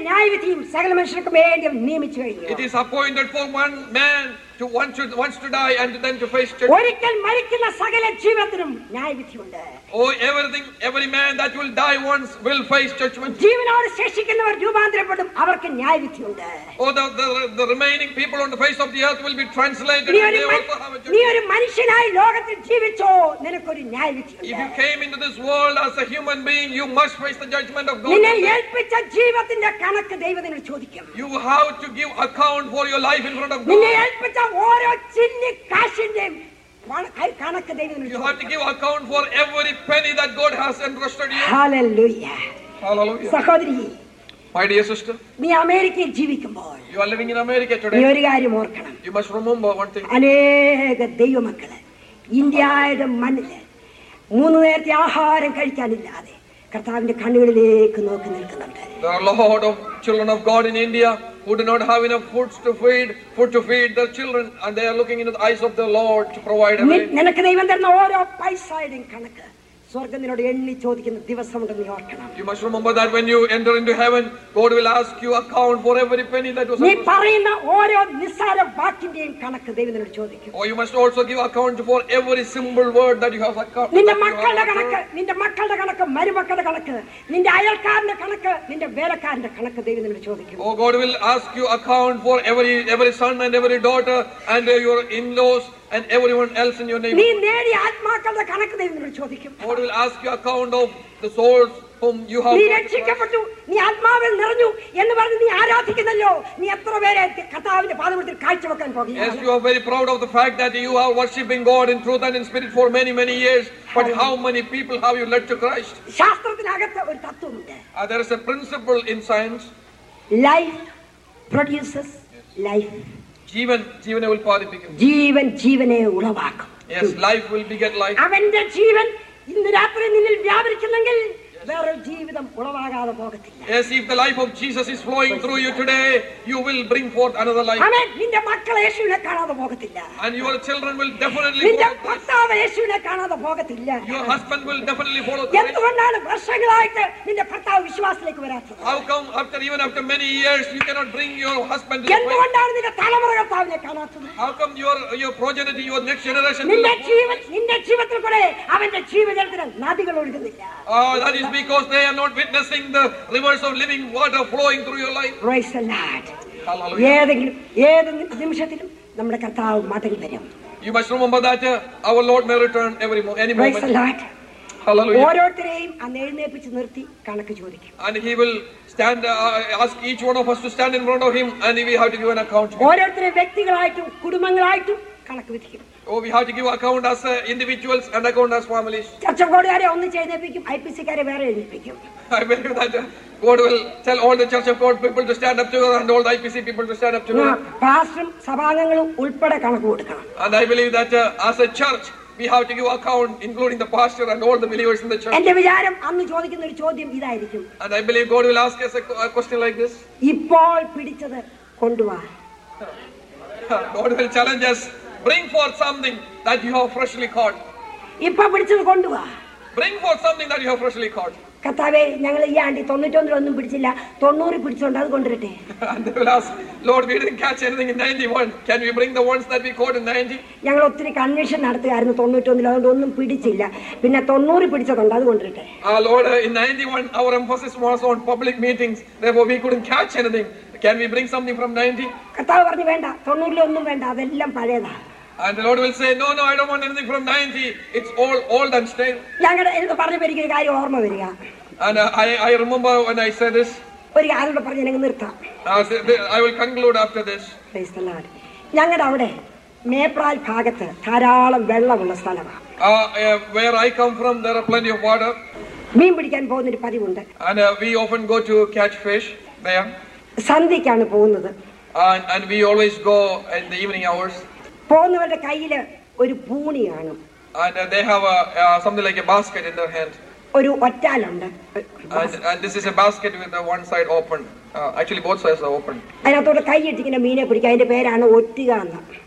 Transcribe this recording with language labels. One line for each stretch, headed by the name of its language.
Malayalam: ന്യായവിധിയും സകല മനുഷ്യർക്കും വേണ്ടി നിയമിച്ചു കഴിഞ്ഞു.
English: To once to die and then to face judgment.
Malayalam: ഒരിക്കൽ മരിക്കുന്ന സകല ജീവത്തിനും ന്യായവിധിയുണ്ട്.
English: Oh, everything, every man that will die once will face judgment.
Malayalam: ജീവനോടെ ശേഷിക്കുന്നവർ രൂപാന്തരപ്പെടും, അവർക്ക് ന്യായവിധിയുണ്ട്.
English: Oh, the remaining people on the face of the earth will be translated and they also have a judgment.
Malayalam: നീ ഒരു മനുഷ്യനായി ലോകത്തിൽ ജീവിച്ചോ, നിനക്കൊരു ന്യായവിധിയുണ്ട്.
English: If you came into this world as a human being, you must face the judgment of God.
Malayalam: നിന്നെ ഏൽപ്പിച്ച ജീവത്തിന്റെ കണക്ക് ദൈവത്തോട് ചോദിക്കും.
English: You have to give account for your life in front of God.
Malayalam: നിന്നെ ഏൽപ്പിച്ച ഓരോ ചിന്നി കാശിന്റെയും കണക്ക് ദൈവത്തിന്.
English: You have to give account for every penny that God has entrusted you. Hallelujah. Hallelujah.
Malayalam: സഹോദരി,
English: my dear sister,
Malayalam: നീ അമേരിക്കയിൽ ജീവിക്കുമ്പോൾ,
English: you are living in America today,
Malayalam: നീ ഒരു കാര്യം ഓർക്കണം.
English: You must remember one thing.
Malayalam: അനേക ദൈവമക്കളെ ഇന്ത്യയുടെ മണ്ണിൽ മൂന്ന് നേരത്തെ ആഹാരം കഴിക്കാനില്ലാതെ കർത്താവിന്റെ കണ്ണുകളിലേക്ക് നോക്കി നിൽക്കുന്നുണ്ട്.
English: There are a lot of children of God in India who do not have enough food to feed their children, and they are looking into the eyes of the Lord to provide them.
Malayalam: നിനക്ക് ദൈവം തരുന്ന ഓരോ പൈസയുടെയും കണക്ക് സ്വർഗ്ഗത്തിനോട് എണ്ണി ചോദിക്കുന്ന ദിവസമുണ്ടെന്ന് ഓർക്കണം.
English: You must remember that when you enter into heaven, God will ask you account for every penny that was
Malayalam: നീ പറയുന്ന ഓരോ നിസ്സാര വാക്കിന്റെയും കണക്ക് ദൈവത്തോട് ചോദിക്കും.
English: Oh, you must also give account for every simple word that you have accounted.
Malayalam: നിന്റെ മക്കളുടെ കണക്ക്, നിന്റെ മക്കളുടെ കണക്ക്, മരുമക്കളുടെ കണക്ക്, നിന്റെ അയൽക്കാരന്റെ കണക്ക്, നിന്റെ വേലക്കാരന്റെ കണക്ക് ദൈവത്തോട് ചോദിക്കും.
English: Oh, God will ask you account for every son and every daughter and your in-laws and everyone else in your name.
Malayalam: നീ നേടിയ ആത്മാക്കളുടെ കണക്ക് ദൈവത്തോട് ചോദിക്കും.
English: God will ask you account of the souls whom you have.
Malayalam: നീ രക്ഷിക്കപ്പെട്ടു, നീ ആത്മാവിൽ നിറഞ്ഞു എന്ന് പറഞ്ഞു നീ ആരാധിക്കുന്നല്ലോ, നീ എത്ര പേരെ കർത്താവിന്റെ പാദമുട്ടിൽ കാഴ്ച വെക്കാൻ പോകുകയാണ്.
English: Yes, you are very proud of the fact that you are worshiping God in truth and in spirit for many years, but how many people have you led to Christ?
Malayalam: ശാസ്ത്രത്തിനകത്തെ ഒരു തത്വമുണ്ട്.
English: There is a principle in science. Life produces, yes, life.
Malayalam: ജീവനെ ഉൽപാദിപ്പിക്കും. ജീവൻ ജീവനെ ഉളവാക്കും.
English: Yes, life will beget life.
Malayalam: അവന്റെ ജീവൻ ഇന്ന് രാത്രി നിന്നിൽ വ്യാപരിക്കുന്നെങ്കിൽ വേറെ ജീവിതം ഉളവാകാതെ പോകത്തില്ല.
English: Yes, if the life of Jesus is flowing through you today, you will bring forth another life.
Malayalam: അമേ, നിന്റെ മക്കൾ യേശുവിനെ കാണാതെ പോകത്തില്ല.
English: And your children will definitely,
Malayalam: നിന്റെ ഭർത്താവ് യേശുവിനെ കാണാതെ പോകത്തില്ല.
English: Your husband will definitely follow.
Malayalam: എന്തുകൊണ്ടാണ് വർഷങ്ങളായിട്ട് നിന്റെ ഭർത്താവ് വിശ്വാസത്തിലേക്ക് വരാത്തത്?
English: How come after many years you cannot bring your husband to the point?
Malayalam: എന്തുകൊണ്ടാണ് നിന്റെ തലമുറയെ ഭർത്താവിനെ കാണാത്തത്?
English: How come your progeny, your next generation,
Malayalam: നിന്റെ ജീവിതത്തിൽ കൂടെ അവന്റെ ജീവജലത്തിന് നദികൾ ഒഴുകുന്നില്ല?
English: Is because they are not witnessing the rivers of living water flowing through your life. Praise the Lord. Hallelujah.
Malayalam: ഏതെങ്കിലും നിമിഷത്തിലും നമ്മുടെ കർത്താവ് മടങ്ങി വരും.
English: You must remember that our Lord may return every moment. Praise the Lord. Hallelujah.
Malayalam: ഓരോരുത്തരെയും അനേഴ്നേപ്പിച്ച് നിർത്തി കണക്ക് ചോദിക്കും.
English: And he will stand ask each one of us to stand in front of him, and we have to give an account.
Malayalam: ഓരോരുത്തരെ വ്യക്തികളായിട്ടും കുടുംബങ്ങളായിട്ടും കണക്ക് വിധിക്കും.
English: Oh, we have to give account as individuals and account as families.
Malayalam: ചർച്ചകാരെ ഒന്ന് ചെയ്തേപ്പിക്കും, ഐപിസികാരെ വേറെ ചെയ്തേപ്പിക്കും.
English: I believe that God will tell all the Church of God people to stand up together and all the IPC people to stand up together.
Malayalam: Pastor സഭാംഗങ്ങളും ഉൾപ്പെടെ കണക്ക് കൊടുക്കണം.
English: And I believe that as a church we have to give account including the pastor and all the believers in the church.
Malayalam: എന്റെ വിചാരം അന്ന് ചോദിക്കുന്ന ഒരു ചോദ്യം ഇതായിരിക്കും.
English: And I believe God will ask us a question like this.
Malayalam: ഇപ്പോൾ പിടിച്ചത് കൊണ്ടുവാ.
English: God will challenge us. Bring forth something that you have freshly caught.
Malayalam: ഇപ്പോ പിടിച്ചത് കൊണ്ടുവാ.
English: Bring forth something that you have freshly caught.
Malayalam: കർത്താവേ, ഞങ്ങൾ ഈ ആണ്ടി 91 ഒന്നും പിടിച്ചില്ല, 90 പിടിച്ചുകൊണ്ട് അത് കൊണ്ടുവരട്ടെ.
English: Lord, we didn't catch anything in 91. Can we bring the ones that we caught in 90?
Malayalam: ഞങ്ങൾ ഒത്തിരി കൺവെൻഷൻ നടത്തിയായിരുന്നു, 91 അതുകൊണ്ട് ഒന്നും പിടിച്ചില്ല, പിന്നെ 90 പിടിച്ചതുകൊണ്ട് അത് കൊണ്ടുവരട്ടെ.
English: Lord, in 91 our emphasis was on public meetings, therefore we couldn't catch anything. Can we bring something from 90?
Malayalam: കർത്താവ് പറഞ്ഞു വേണ്ട, 90 ൽ ഒന്നും വേണ്ട, അതെല്ലാം പഴയതാ.
English: And the Lord will say, no, I don't want anything from 90. It's all old and stale.
Malayalam: ഞങ്ങളെ എന്ന് പറഞ്ഞു വരികയാ, കാര്യം ഓർമ്മ വരിക.
English: And I remember when I said this.
Malayalam: ഒരു കാര്യം പറഞ്ഞ് ഞങ്ങൾ നിർത്താം.
English: I will conclude after this. Praise the Lord.
Malayalam: ഞങ്ങളുടെ അവിടെ മേപ്രാൽ ഭാഗത്ത് ധാരാളം വെള്ളമുള്ള സ്ഥലമാണ്.
English: Where I come from there are plenty of water.
Malayalam: മീൻ പിടിക്കാൻ പോകുന്ന ഒരു പതിവുണ്ട്.
English: And we often go to catch fish there.
Malayalam: സന്ധ്യയ്ക്കാണ് പോകുന്നത്.
English: And we always go in the evening hours.
Malayalam: പോകുന്നവരുടെ കയ്യിൽ ഒരു പൂണിയാണ്.
English: And they have something like a basket in their hand.
Malayalam: ഒരു ഒറ്റാലുണ്ട്.
English: And this is a basket with the one side open. Actually both sides are open.
Malayalam: അതിനകത്തോട്ട് കയ്യിട്ടിങ്ങനെ മീനെ പിടിക്കാൻ അതിന്റെ പേരാണ് ഒറ്റുക എന്ന്.